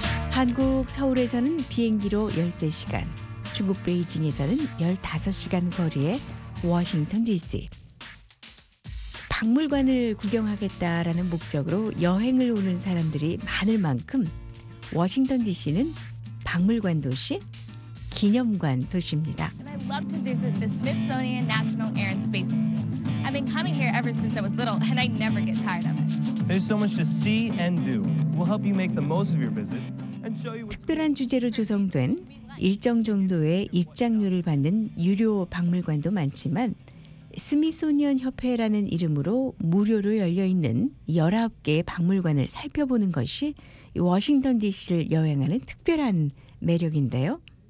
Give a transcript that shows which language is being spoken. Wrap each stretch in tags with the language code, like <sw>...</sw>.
<ko>한국 서울에서는 비행기로 13시간, 중국 베이징에서는 15시간 거리의 워싱턴 DC. 박물관을 구경하겠다라는 목적으로 여행을 오는 사람들이 많을 만큼 워싱턴 DC는 박물관 도시, 기념관 도시입니다.</ko> <en>I'd love to visit the Smithsonian National Air and Space Museum. I've been coming here ever since I was little and I never get tired of it. There's so much to see and do. We'll help you make the most of your visit and show you.</en> <ko>특별한 주제로 조성된 일정 정도의 입장료를 받는 유료 박물관도 많지만 스미소니언 협회라는 이름으로 무료로 열려있는 19개의 박물관을 살펴보는 것이 워싱턴 DC를 여행하는 특별한 매력인데요.</ko>